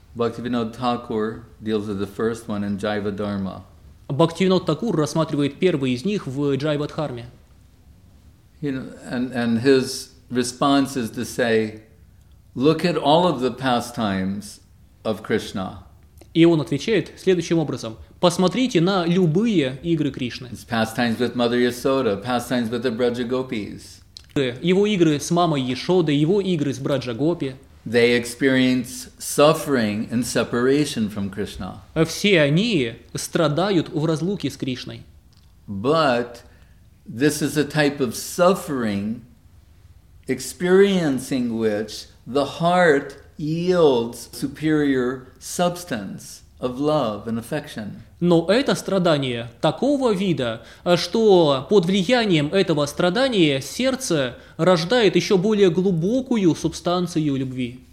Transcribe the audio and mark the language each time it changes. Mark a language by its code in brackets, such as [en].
[en] Bhaktivinoda Thakur deals with the first one in Jiva Dharma. [ru] Bhaktivinoda Thakur рассматривает первый из них в Jiva Dharma. [en] And his response is to say, look at all of the pastimes of Krishna. [ru] И он отвечает следующим образом: посмотрите на любые игры Кришны. [en] His pastimes with Mother Yasoda, pastimes with the Braja Gopis. [ru] Его игры с мамой Ешодой, его игры с Браджа Гопи. [en] They experience suffering and separation from Krishna. [ru] Все они страдают в разлуке с Кришной. [en] But this is a type of suffering, experiencing which the heart yields superior substance of love and affection. [ru] Но это страдание такого вида, что под влиянием этого страдания сердце рождает еще более глубокую субстанцию любви.